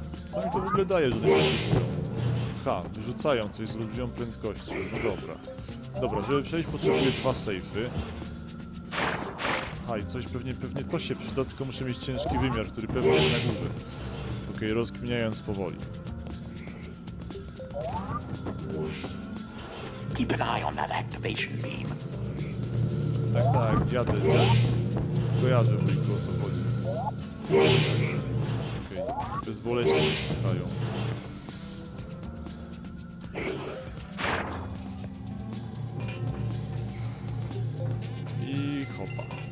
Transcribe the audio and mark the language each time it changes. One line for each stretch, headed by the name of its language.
Polish: Co mi to w ogóle daje, że tego nie widzą? Ha, wyrzucają coś z olbrzymią prędkością. No dobra. Dobra, żeby przejść potrzebuję dwa sejfy. Ha, i coś pewnie to się przyda, tylko muszę mieć ciężki wymiar, który pewnie jest na górze. Okej, rozkminiając powoli.
English: Keep an eye on that activation beam.
Polish: Tak, tak, jadę. Kojarzę, w ogóle o co chodzi. Bezboleśnie się słuchają. I hopa.